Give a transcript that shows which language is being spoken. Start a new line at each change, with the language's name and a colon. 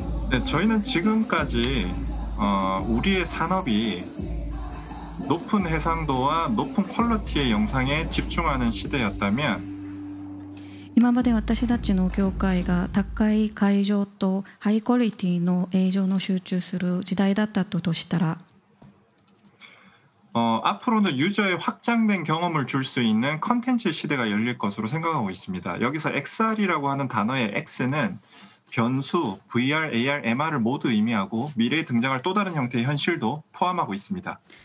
Korean: 네, 저희는 지금까지 우리의 산업이 높은 해상도와 높은 퀄리티의 영상에 집중하는 시대였다면
Japanese: 今まで私たちの業界が高い解像とハイクオリティの映像の集中する時代だったとしたら
Korean: 앞으로는 유저의 확장된 경험을 줄 수 있는 콘텐츠 시대가 열릴 것으로 생각하고 있습니다. 여기서 XR이라고 하는 단어의 X는 변수, VR, AR, MR을 모두 의미하고 미래에 등장할 또 다른 형태의 현실도 포함하고 있습니다.